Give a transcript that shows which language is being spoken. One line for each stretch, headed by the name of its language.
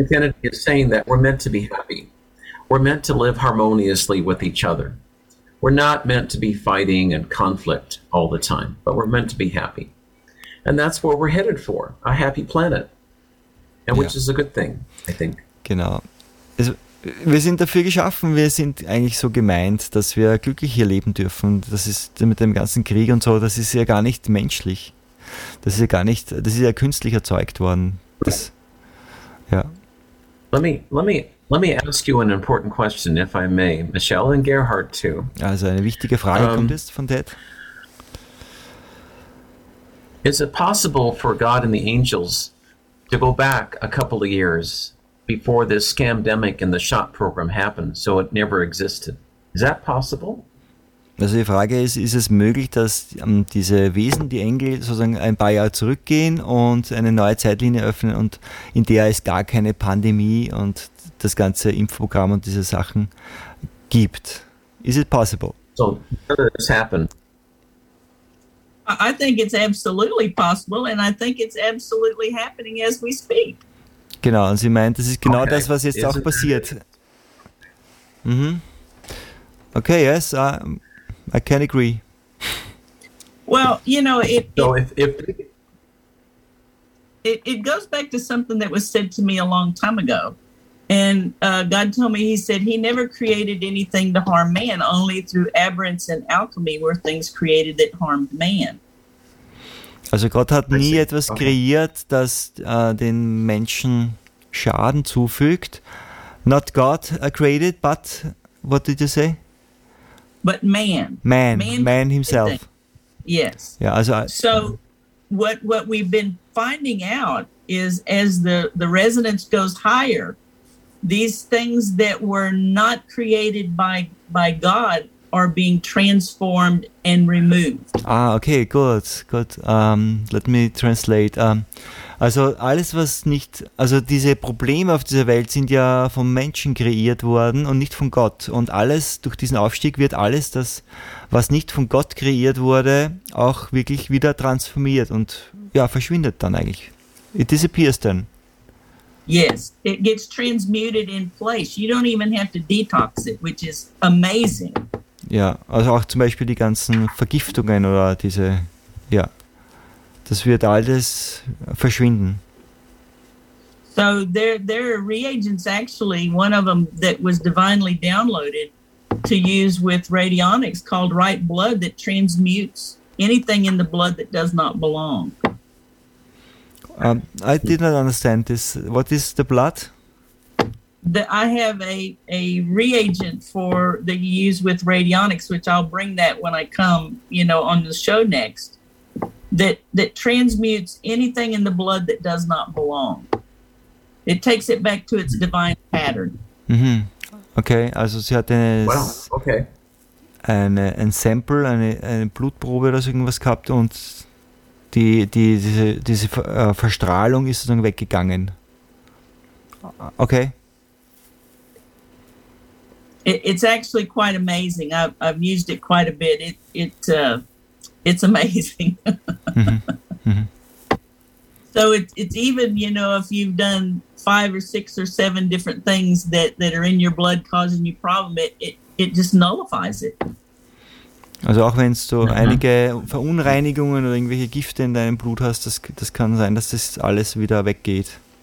English: Kennedy is saying that we're meant to be happy. We're meant to live harmoniously with each other. We're not meant to be fighting and conflict all the time, but we're meant to be happy. And that's where we're headed for, a happy planet. And which is a good thing, I think.
German: Genau. Also, wir sind dafür geschaffen, wir sind eigentlich so gemeint, dass wir glücklich hier leben dürfen. Das ist mit dem ganzen Krieg und so, das ist ja gar nicht menschlich. Das ist ja künstlich erzeugt worden. Das, ja.
English: Let me ask you an important question, if I may, Michelle and Gerhard too.
German: Also eine wichtige Frage kommt jetzt von Ted.
English: Is it possible for God and the angels to go back a couple of years before this scamdemic and the shot program happened, so it never existed? Is that possible?
German: Also die Frage ist, ist es möglich, dass diese Wesen, die Engel, sozusagen ein paar Jahre zurückgehen und eine neue Zeitlinie öffnen und in der es gar keine Pandemie und das ganze Impfprogramm und diese Sachen gibt.
English: Is it possible? So, how did this happen? I think it's absolutely possible, and I think it's absolutely happening as we speak.
German: Genau, und sie meint, das ist genau okay. Das, was jetzt auch passiert. Mm-hmm.
English: Okay, yes, I can agree. Well, you know, it goes back to something that was said to me a long time ago. And God told me, he said, he never created anything to harm man. Only through aberrance and alchemy were things created that harmed man.
German: Also Gott hat nie etwas kreiert, das den Menschen Schaden zufügt.
English: Not God created, but what did you say? But man. Man himself. Yes. Yeah, also so what we've been finding out is as the resonance goes higher, these things that were not created by God are being transformed and removed. Ah, okay, gut. Let me translate.
German: Also alles, was nicht, also diese Probleme auf dieser Welt sind ja vom Menschen kreiert worden und nicht von Gott. Und alles, durch diesen Aufstieg wird alles, das, was nicht von Gott kreiert wurde, auch wirklich wieder transformiert und ja, verschwindet dann eigentlich.
English: It disappears then. Yes, it gets transmuted in place. You don't even have to detox it, which is amazing.
German: Ja, also auch zum Beispiel die ganzen Vergiftungen oder diese, ja, das wird alles verschwinden.
English: So there are reagents actually, one of them that was divinely downloaded to use with radionics called right blood that transmutes anything in the blood that does not belong. I did not understand this. What is the blood? I have a reagent for that you use with radionics, which I'll bring that when I come, you know, on the show next. That transmutes anything in the blood that does not belong. It takes it back to its divine pattern. Mm-hmm. Okay.
German: Also sie hat eine ein Sample, eine Blutprobe oder so irgendwas gehabt und diese Verstrahlung ist sozusagen weggegangen. Okay.
English: It's actually quite amazing. I've used it quite a bit. It's amazing. Mm-hmm. So it's even, you know, if you've done 5 or 6 or 7 different things that are in your blood causing you problem, it just nullifies it.
German: Also auch wenn du einige Verunreinigungen oder irgendwelche Gifte in deinem Blut hast, das kann sein, dass das alles wieder weggeht.